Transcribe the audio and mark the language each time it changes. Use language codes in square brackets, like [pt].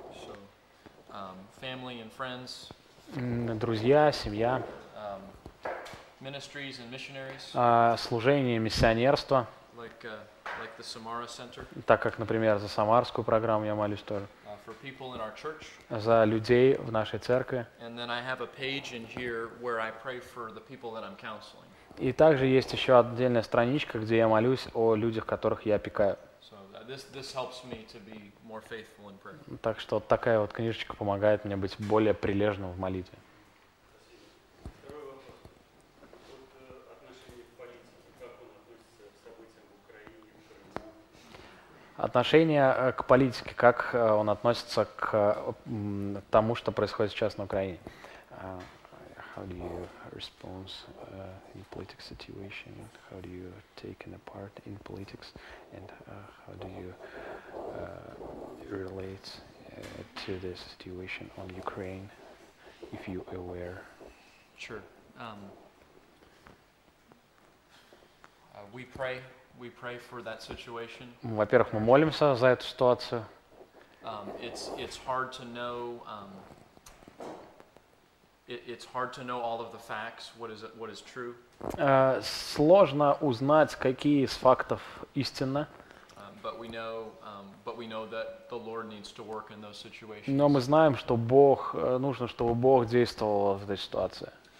[en] So, family and friends. [ru] Друзья, семья. [en] Ministries and missionaries. [ru] Служение, миссионерство. [en] Like the Samara Center. [ru] Так как, например, за Самарскую программу я молюсь тоже. [en] For people in our church. [ru] За людей в нашей церкви. [en] And then I have a page in here where I pray for the people that I'm counseling. [ru] И также есть еще отдельная страничка, где я молюсь о людях, которых я опекаю. [en] So this helps me to be more faithful in prayer. [ru] Так что такая вот книжечка помогает мне быть более прилежным в молитве. Отношение к политике, как он относится к тому, что происходит сейчас на Украине? [en] How do you respond in political situation? How do you take a part in politics? And how do you relate to the situation on Ukraine, if you aware? Sure. We pray. We pray for that situation. [ru] Во-первых, мы молимся за эту ситуацию. [en] It's hard to know. It's hard to know all of the facts. What is true? [ru] Сложно узнать, какие из фактов истинны. [en] But we know that the Lord needs to work in those situations. [ru] Но мы знаем, что Бог нужно, чтобы Бог действовал в этой ситуации.